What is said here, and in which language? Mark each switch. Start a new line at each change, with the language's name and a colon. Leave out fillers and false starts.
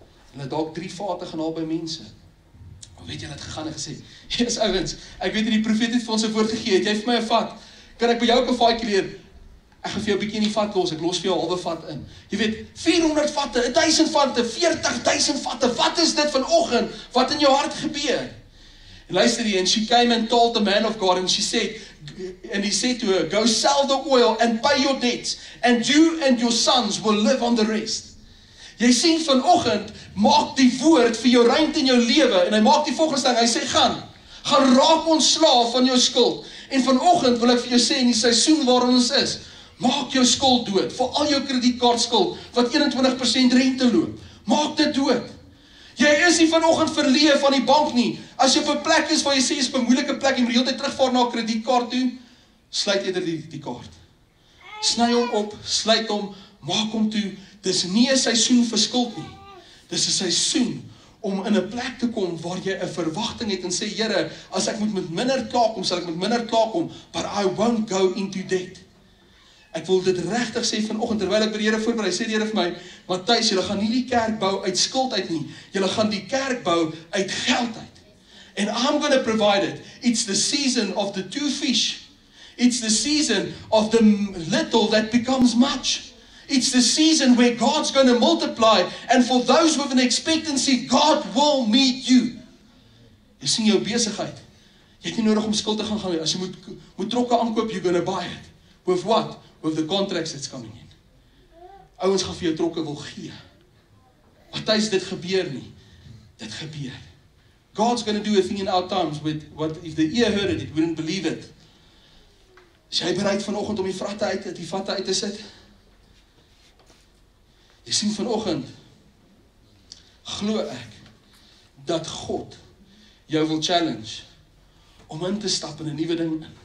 Afrikaans: Hulle het dalk 3 vate gaan haal by mense. Maar weet jy, hulle het gegaan en gesê, "Jesus, ouwens, ek weet die profeet het vir ons een woord gegee, het jy vir my een vat? Kan ek by jou ook een vaatje leer? Ek gaan vir jou bykie in die vat los, ek los vir jou halve vat in." Jy weet, 400 vatte, 1000 vatte, 40,000 vatte, wat is dit vanoggend, wat in jou hart gebeur? En luister hier,
English: and she came and told the man of God, and she said, and he said to her, "Go sell the oil and pay your debts, and you and your sons will live on the rest."
Afrikaans: Jy sien vanoggend, maak die woord vir jou ruimte in jou leven, en hy maak die volgende stelling, hy sê, gaan raak ontslaaf van jou skuld, en vanoggend wil ek vir jou sê, in die seisoen waar ons is, maak jou skuld dood, vir al jou kredietkaartskuld, wat 21% rente loop, maak dit dood. Jy is nie vanoggend verleë van die bank nie. As jy op 'n plek is waar jy sê is 'n moeilike plek, jy moet die hele tyd terugvaar na 'n kredietkaart toe, sluit eerder die kaart. Sny hom op, sluit hom, maak hom toe. Dis nie 'n seisoen vir skuld nie. Dis 'n seisoen om in 'n plek te kom waar jy 'n verwagting het en sê, "Here, as ek moet met minder klaarkom, sal ek met minder klaarkom,
English: but I won't go into debt."
Afrikaans: Ek wil dit regtig sê vanoggend terwyl ek by die Here voorberei, sê die Here vir my, Matthys, julle gaan nie die kerk bou uit skuld uit nie. Julle gaan die kerk bou uit geld uit.
English: And I'm going to provide it. It's the season of the two fish. It's the season of the little that becomes much. It's the season where God's going to multiply. And for those with an expectancy, God will meet you.
Afrikaans: Jy sien jou besigheid. Jy het nie nodig om skuld te gaan gaan. As jy moet trokke aankoop,
English: you're going to buy it. With what? With the contracts that's coming in.
Afrikaans: Ouens gaan vir jou trokke wil gee. Matthys, dit gebeur nie. Dit gebeur.
English: God's going to do a thing in our times with what if the ear heard it, it wouldn't believe it.
Afrikaans: Is jy bereid vanoggend om die vratte uit, die vatte uit te sit? Jy sien vanoggend, glo ek, dat God jou wil challenge om in te stap in 'n nuwe ding.